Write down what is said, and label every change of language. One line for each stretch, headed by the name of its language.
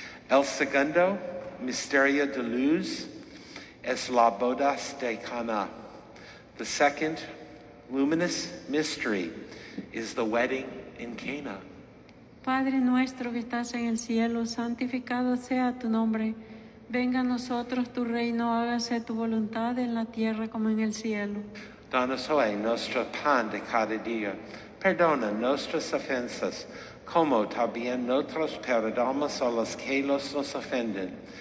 Spanish: El segundo misterio de luz es la bodas de Cana.
English: The second luminous mystery is the wedding in Cana.
Spanish: Padre nuestro que estás en el cielo, santificado sea tu nombre. Venga a nosotros tu reino, hágase tu voluntad en la tierra como en el cielo. Danos hoy nuestro pan de cada día. Perdona nuestras ofensas, como también nosotros perdonamos a los que nos ofenden.